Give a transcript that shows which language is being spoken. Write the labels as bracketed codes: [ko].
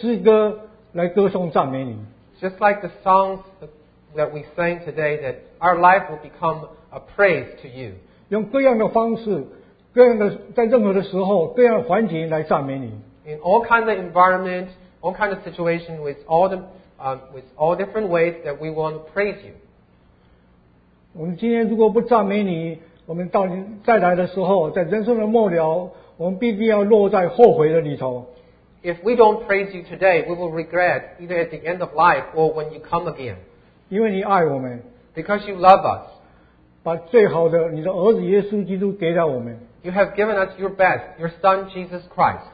[zh] 就像今天的诗班会讲到，我们的一生就成了一首诗歌来歌颂赞美你。 [en] Just like the songs that we sang today, that our life will become a praise to you. [zh] 用各样的方式，各样的在任何的时候，各样的环境来赞美你。 [en] In all kinds of environment, all kinds of situation, with all the with all different ways that we want to praise you. [zh] 我们今天如果不赞美你，我们到再来的时候，在人生的末了，我们必定要落在后悔的里头。 [en] If we don't praise you today, we will regret either at the end of life or when you come again. [zh] 因为你爱我们。 [en] Because you love us. [zh] 把最好的你的儿子耶稣基督给了我们。 [en] You have given us your best, your Son Jesus Christ.